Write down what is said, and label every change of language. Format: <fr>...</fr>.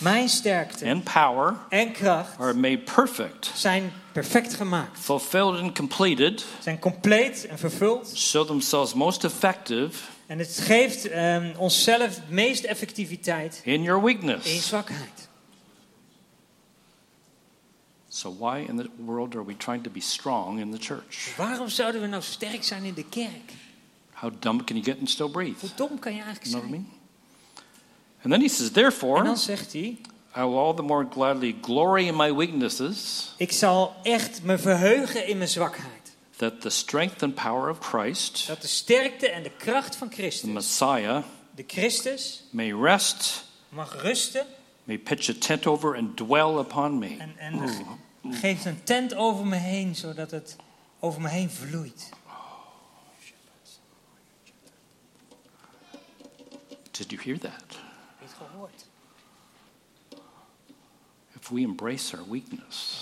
<nl>mijn sterkte,</nl> <en>and power,</en> <nl>en kracht,</nl> <en>are made perfect,</en> <nl>zijn perfect gemaakt,</nl> <en>fulfilled and completed,</en> <nl>zijn compleet en vervuld,</nl> <en>show themselves most effective,</en> <nl>en het geeft onszelf meest effectiviteit,</nl> <en>in your weakness,</en> <nl>in zwakheid.</nl> <en>So why in the world are we trying to be strong in the church?</en> <nl>Waarom zouden we nou sterk zijn in de kerk?</nl> <en>How dumb can you get and still breathe?</en> <nl>Hoe dom kan je eigenlijk zijn?</nl> <en>Know what I mean? And then he says, therefore,</en> <nl>en dan zegt hij,</nl> <en>I will all the more gladly glory in my weaknesses.</en> <nl>Ik zal echt me verheugen in mijn zwakheid.</nl> <en>That the strength and power of Christ,</en> <nl>dat de sterkte en de kracht van Christus,</nl> <en>the Messiah,</en> <nl>de Christus,</nl> <en>may rest,</en> <nl>mag rusten,</nl> <en>may pitch a tent over and dwell upon me.</en> <nl>En geeft een tent over me heen, zodat het over me heen vloeit.</nl> <en>Did you hear that?</en> <nl>Heb je het gehoord?</nl> <en>If we embrace our weakness,</en>